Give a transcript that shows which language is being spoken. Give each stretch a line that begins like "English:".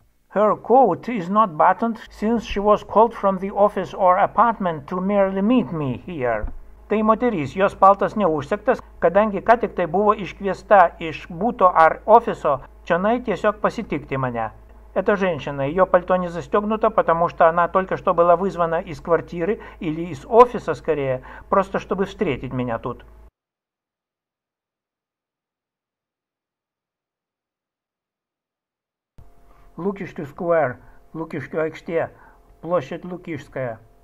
English: Her coat is not buttoned since she was called from the office or apartment to merely meet me here.
Lithuanian: Tai moteris, jos paltas neužsegtas, kadangi ką tik tai buvo iškviesta iš buto ar ofiso, čionai tiesiog pasitikti mane.
Russian: Это женщина. Ее пальто не застегнуто, потому что она только что была вызвана из квартиры или из офиса, скорее, просто чтобы встретить меня тут. Лукишский сквер, Лукишский айксте, площадь Лукишская.